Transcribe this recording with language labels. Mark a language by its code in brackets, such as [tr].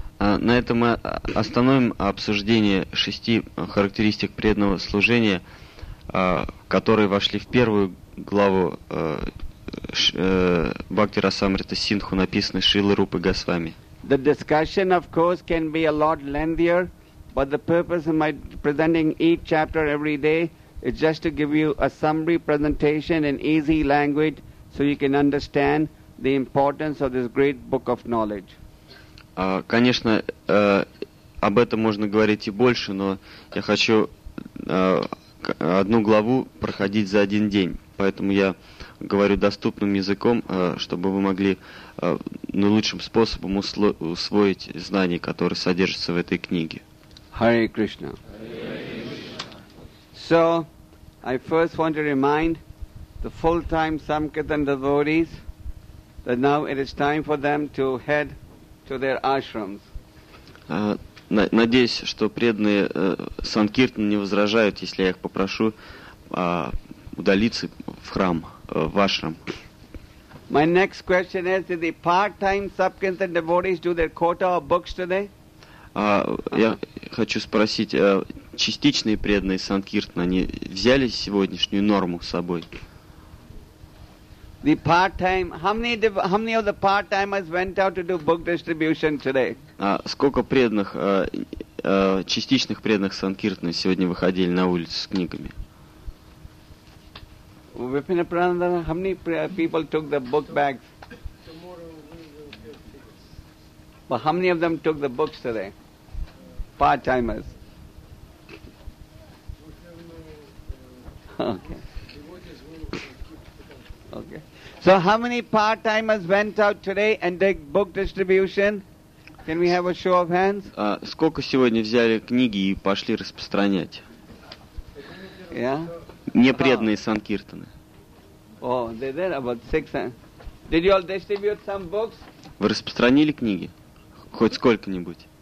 [ru] На этом мы остановим обсуждение шести характеристик преданного служения, которые вошли в первую главу Бхакти Расамрита Синдху, написанной Шрилой Рупой Госвами. [en] The discussion, of course, can be a lot lengthier, but the purpose of my presenting each chapter every day is just to give you a summary presentation in easy language so you can understand the importance of this great book of knowledge. [ru] Конечно, об этом можно говорить и больше, но я хочу одну главу проходить за один день, поэтому я говорю доступным языком, чтобы вы могли наилучшим способом усвоить знания, которые содержатся в этой книге. [en] Hare Krishna. So, I first want to remind the full-time Samkirtan devotees that now it is time for them to head to their ashrams. [ru] Надеюсь, что преданные Санкиртаны не возражают, если я их попрошу удалиться в храм, в ашрам. [en] My next question is, did the part-time suppliants and devotees do their quota of books today? [ru] Я хочу спросить, частичные преданные санкиртны, они взяли сегодняшнюю норму с собой? [en] The part-time, how many of the part-timers went out to do book distribution today? [ru] Сколько преданных, частичных преданных санкиртны сегодня выходили на улицу с книгами? [en] Vipinaprananda, how many people took the book bags? Well, how many of them took the books today? Part-timers. Okay. So how many part-timers went out today and did book distribution? Can we have a show of hands? [ru] Сколько сегодня взяли книги и пошли распространять? [en] Yeah? [ru] Непреданные санкиртаны. [en] Oh, they're there, about six. Did you all distribute some books? [ru] Вы распространили книги? Хоть сколько-нибудь?